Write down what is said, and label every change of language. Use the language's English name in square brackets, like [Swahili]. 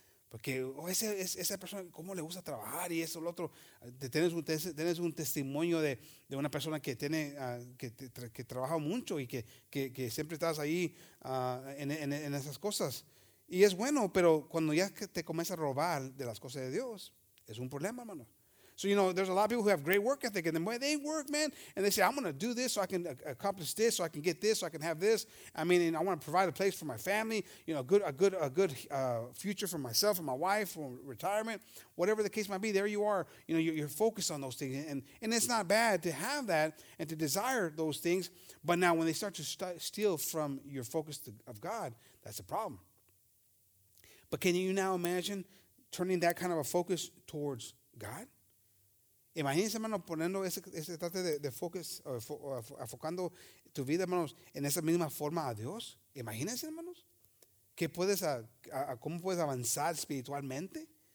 [Spanish] Porque esa persona, ¿cómo le gusta trabajar? Y eso, lo otro. Tienes un testimonio de una persona que tiene que trabaja mucho y que siempre estás ahí en esas cosas. Y es bueno, pero cuando ya te comienza a robar de las cosas de Dios, es un problema, hermano. [English] So, you know, there's a lot of people who have great work ethic, and then when they work, man, and they say, I'm going to do this so I can accomplish this, so I can get this, so I can have this. I mean, and I want to provide a place for my family, you know, a good future for myself and my wife, for retirement, whatever the case might be. There you are. You know, you're focused on those things. And it's not bad to have that and to desire those things. But now when they start to steal from your focus of God, that's a problem. But can you now imagine turning that kind of a focus towards God? [Spanish] Imagínense, hermano, poniendo ese trate de focus, enfocando tu vida, hermanos, en esa misma forma a Dios. Imagínense, hermanos, que puedes cómo puedes avanzar espiritualmente.